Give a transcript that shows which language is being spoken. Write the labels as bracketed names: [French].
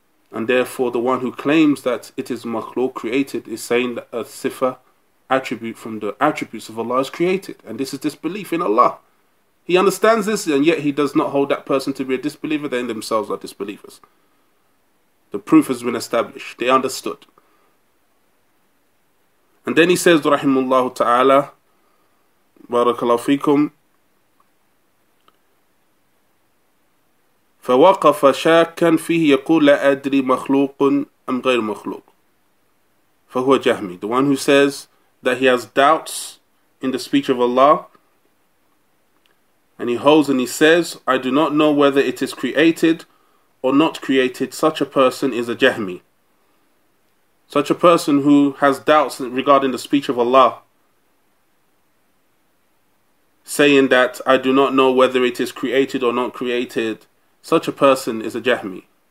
[English] And therefore the one who claims that it is makhluk, created, is saying that a sifa, attribute from the attributes of Allah, is created. And this is disbelief in Allah. He understands this, and yet he does not hold that person to be a disbeliever. They themselves are disbelievers. The proof has been established. They understood. And then he says, rahimullah ta'ala, barakallahu fikum, [Arabic] فَوَقَفَ شَاكًا فِيهِ يَقُولَ لَا أَدْرِي مَخْلُوقٌ أَمْ غَيْرُ مَخْلُوقٌ فَهُوَ جَهْمِي. [English] The one who says that he has doubts in the speech of Allah, and he holds and he says, I do not know whether it is created or not created, such a person is a Jahmi. Such a person who has doubts regarding the speech of Allah, saying that I do not know whether it is created or not created, such a person is a Jahmi.